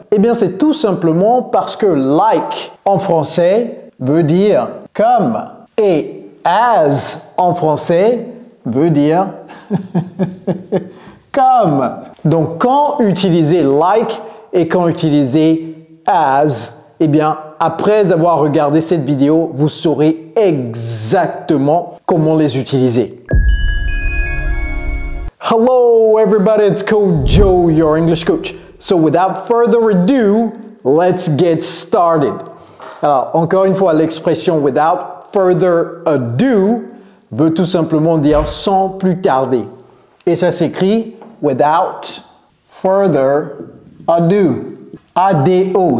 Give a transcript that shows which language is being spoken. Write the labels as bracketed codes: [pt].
[fr] Eh bien, c'est tout simplement parce que like en français veut dire comme et as en français veut dire comme. Donc, quand utiliser like et quand utiliser as, eh bien, après avoir regardé cette vidéo, vous saurez exactement comment les utiliser. [en] Hello everybody, it's Coach Joe, your English coach. So without further ado, let's get started. [fr] Alors, encore une fois, l'expression [en] without further ado [fr] veut tout simplement dire sans plus tarder. Et ça s'écrit [en] without further ado. [fr] A-D-O.